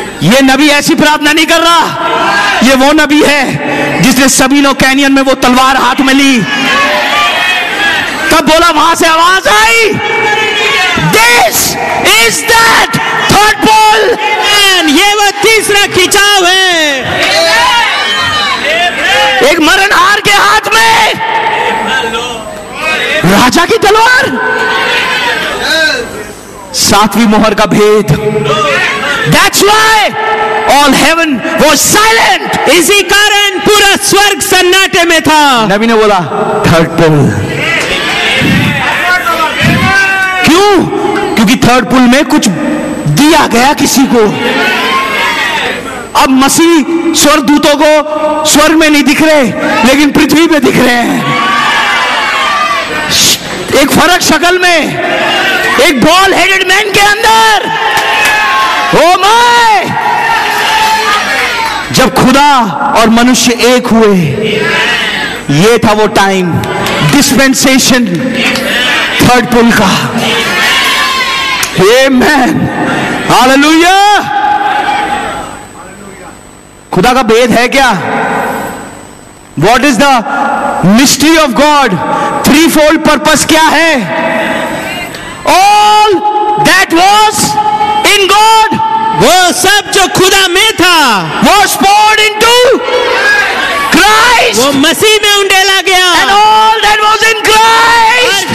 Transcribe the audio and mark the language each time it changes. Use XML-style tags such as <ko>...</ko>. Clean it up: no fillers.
<hi>ये नबी ऐसी प्रार्थना नहीं कर रहा. ये वो नबी है जिसने सबीनो कैनियन में वो तलवार हाथ में ली, तब बोला, वहां से आवाज आई,</hi> <en>this is that third pole,</en> <hi>ये वो तीसरा खिंचाव है. एक मरणहार के हाथ में राजा की तलवार, सातवीं मोहर का भेद.</hi> <en>That's why all heaven was silent.</en> <hi>इसी कारण पूरा स्वर्ग सन्नाटे में था. नबी ने बोला थर्ड पुल. क्यों? क्योंकि थर्ड पुल में कुछ दिया गया किसी को. अब मसीह स्वर्ग दूतों को स्वर्ग में नहीं दिख रहे, लेकिन पृथ्वी में दिख रहे हैं. एक फर्क शक्ल में, एक बॉल हेडेड मैन के अंदर.</hi> <en>Oh my!</en> <hi>जब खुदा और मनुष्य एक हुए, ये था वो टाइम, डिस्पेंसेशन थर्ड पुल का. Amen! Hallelujah! खुदा का भेद है क्या?</hi> <en>What is the mystery of God?</en> <hi>Threefold purpose क्या है?</hi> <en>All that was in God.</en> <hi>वो सब जो खुदा में था</hi> <en>वो poured into Christ,</en> <hi>वो मसीह में उंडेला गया.</hi> <en>and all that was in Christ,</en>